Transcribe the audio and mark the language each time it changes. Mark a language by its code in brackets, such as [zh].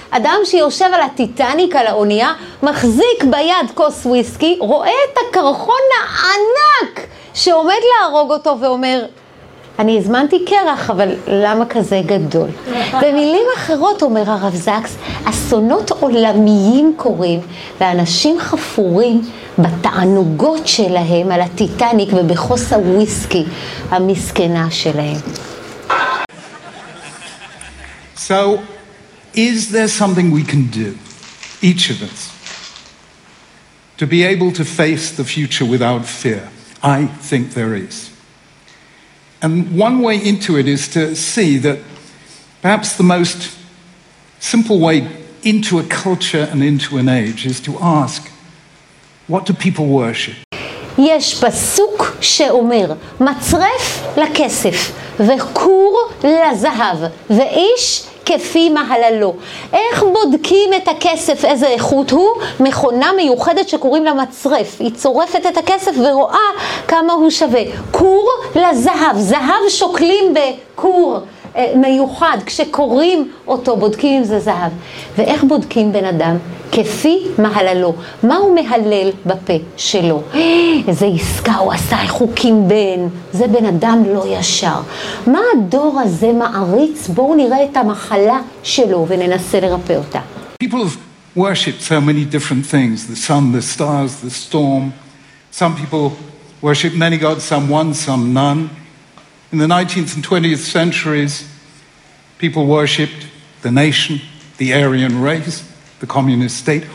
[he] אדם שיושב על הטיטניק, על האונייה, מחזיק ביד כוס וויסקי, רואה את הקרחון הענק שעומד להרוג אותו ואומר, אני הזמנתי קרח, אבל למה כזה גדול? במילים אחרות, אומר הרב זקס, אסונות עולמיים קורים, ואנשים חפורים בתענוגות שלהם על הטיטניק ובחוס הוויסקי המסכנה שלהם. [en] So, is there something we can do, each of us, to be able to face the future without fear? I think there is. And one way into it is to see that perhaps the most simple way into a culture and into an age is to ask, what do people worship? [he] יש פסוק שאומר, מצרף לכסף וקור לזהב ואיש כפי מהללו. איך בודקים את הכסף, איזה איכות הוא? מכונה מיוחדת שקוראים לה מצרף. היא צורפת את הכסף ורואה כמה הוא שווה. קור לזהב. זהב שוקלים בקור מיוחד. כשקוראים אותו, בודקים אם זה זהב. ואיך בודקים בן אדם? כפי מהללו. מה הוא מהלל בפה שלו? איזה עסקה הוא עשה, איך הוא קימבן. זה בן אדם לא ישר. מה הדור הזה מעריץ? בואו נראה את המחלה שלו וננסה לרפא אותה. [en] People have worshipped so many different things. The sun, the stars, the storm. Some people worship many gods, some one, some none. In the 19th and 20th centuries, people worshipped the nation, the Aryan race, the communist state.